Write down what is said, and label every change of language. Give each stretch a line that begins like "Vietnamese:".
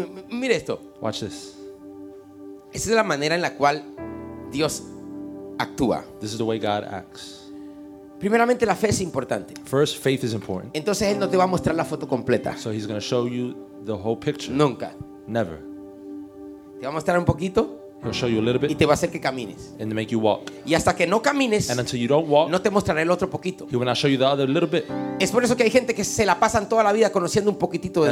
Spanish: Mire esto.
English: Watch this.
Spanish: Esa es la manera en la cual Dios actúa.
English: This is the way God acts.
Spanish: Primeramente, la fe es importante.
English: First, faith is important.
Spanish: Entonces él no te va a mostrar la foto completa.
English: So he's going to show you the whole picture.
Spanish: Nunca.
English: Never.
Spanish: Te va a mostrar un poquito.
English: He'll show you a little bit.
Spanish: Y te va a hacer que camines.
English: And make you walk.
Spanish: Y hasta que no camines,
English: and until you don't walk,
Spanish: no te mostraré el otro poquito.
English: He will not show you the other little bit.
Spanish: Es por eso que hay gente que se la pasan toda la vida conociendo un poquitito de